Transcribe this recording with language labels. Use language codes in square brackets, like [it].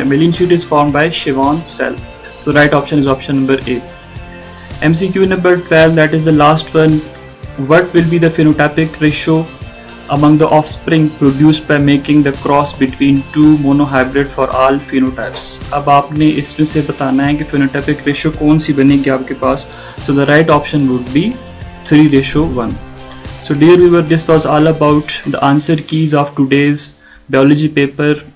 [en] Myelin sheet is formed by Schwann cell. So right option is option number A. MCQ number 12, that is the last one. What will be the phenotypic ratio among the offspring produced by making the cross between two monohybrid for all phenotypes. [hi] अब आपने इसमें से बताना है कि phenotypic ratio कौन सी बनेगी आपके पास. [en] So the right option would be 3:1. So dear viewer, this was all about the answer keys of today's biology paper.